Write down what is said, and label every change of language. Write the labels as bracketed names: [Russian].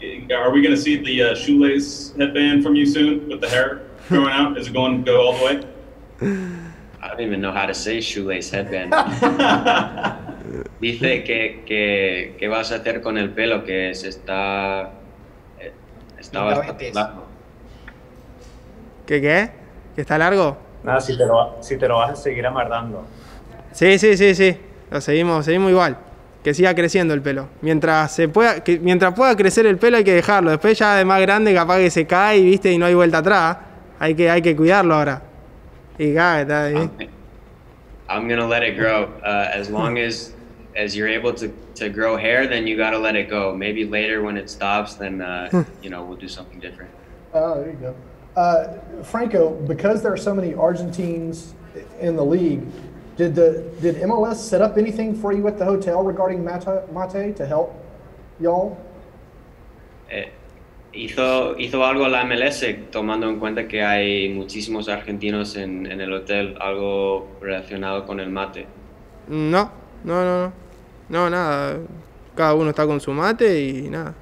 [English] Are we gonna see the shoelace headband from you soon with the hair growing out? Is it going to go all the way? I don't even know how to say shoelace headband. [Spanish] Dice que vas a hacer con el pelo que se está bastante largo. ¿Qué? ¿Que está largo? Nada, si te lo vas a seguir amarrando. Sí. Lo seguimos igual. Que siga creciendo el pelo. Mientras pueda crecer el pelo, hay que dejarlo. Después, ya de más grande, capaz que se cae, viste, y no hay vuelta atrás. Hay que cuidarlo ahora. Y cae, está ahí. [English] I'm gonna let it grow. As long as as you're able to grow hair, then you got to let it go. Maybe later when it stops, then, you know, we'll do something different. There you go. Franco, because there are so many Argentines in the league, did MLS set up anything for you at the hotel regarding Mate to help y'all? [Spanish] Hizo algo la MLS, tomando en cuenta que hay muchísimos argentinos en el hotel, algo relacionado con el mate. No, nada. Cada uno está con su mate y nada.